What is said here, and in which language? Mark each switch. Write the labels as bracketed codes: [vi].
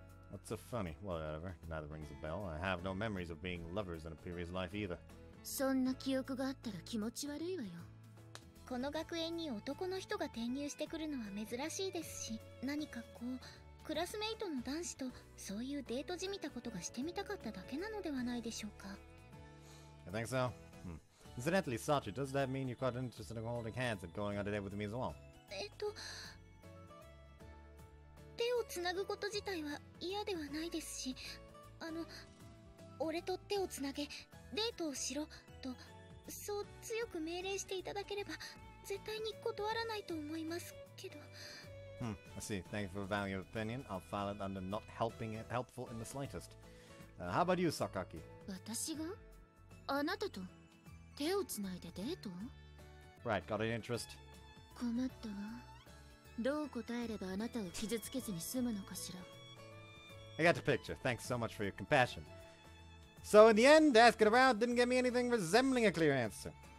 [en] What's so funny? Well, whatever. Neither rings a bell. I have no memories of being lovers in a previous life either. [ja] そんな記憶があったら気持ち悪いわよ。この学園に男の人が転入してくるのは珍しいですし、何かこう…クラスメイトの男子とそういうデートじみたことがしてみたかっただけなのではないでしょうか。 [en] I think so. Incidentally, Sachi, does that mean you're quite interested in holding hands and going on a date with me as well? [ja] 手をつなぐこと自体は嫌ではないですし、俺と手をつなげ、デートをしろと、そう強く命令していただければ、絶対に断らないと思いますけど。 [en] I see. Thank you for valuing your opinion. I'll file it under not helping it helpful in the slightest. How about you, Sakaki? [ja] 私が? あなたと手をつないでデート? [en] Right, got an interest? [ja] 困ったわ。どう答えればあなたを傷つけずに済むのかしら? [en] I got the picture. Thanks so much for your compassion. So in the end, asking around didn't get me anything resembling a clear answer.